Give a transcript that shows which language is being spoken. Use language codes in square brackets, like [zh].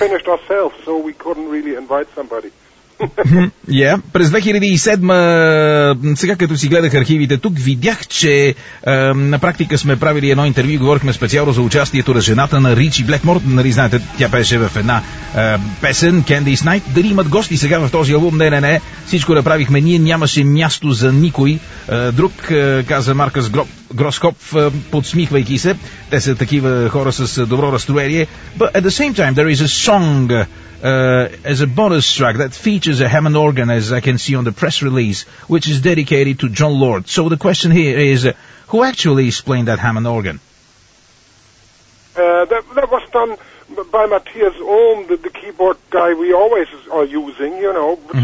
[en] Yeah, we finished ourselves, so we couldn't really invite somebody. Yeah. [bg] През 2007 сега като си гледах архивите тук, видях, че на практика сме правили едно интервю, говорихме специално за участието на жената на Ричи Блекмор. Нали знаете, тя беше в една песен, Candice Night. Дали имат гости сега в този албум? Не, не, не. Всичко направихме. Ние нямаше място за никой друг, каза Маркъс Гроскоп, подсмихвайки се. Те са такива хора с добро разстроение. [en] But at the same time, there is a song... as a bonus track that features a Hammond organ, as I can see on the press release, which is dedicated to John Lord. So the question here is, who actually is playing that Hammond organ? That was done by Matthias Ohm, the keyboard guy we always are using, you know, mm-hmm.